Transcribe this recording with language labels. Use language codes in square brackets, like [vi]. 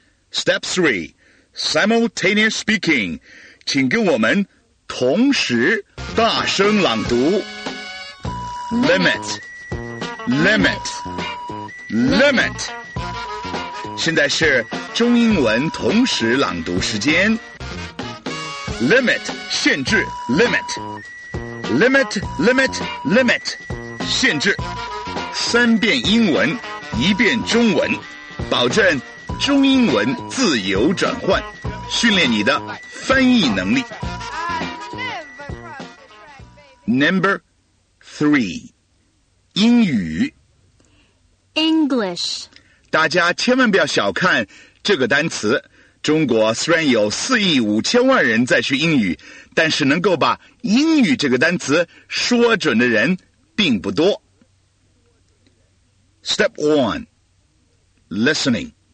[en] step threeSimultaneous speaking, [zh] 请跟我们同时大声朗读。 [en] Limit, limit, limit. [zh] 现在是中英文同时朗读时间。 [en] Limit, [zh] 限制 [en] limit. Limit, limit, limit, [zh] 限制。三遍英文，一遍中文，保证中英文自由转换，训练你的翻译能力。 [en] Number three， 英语。 English， [zh] 大家千万不要小看这个单词。中国虽然有4亿5000万人在学英语，但是能够把英语这个单词说准的人并不多。 [en] Step one， listening。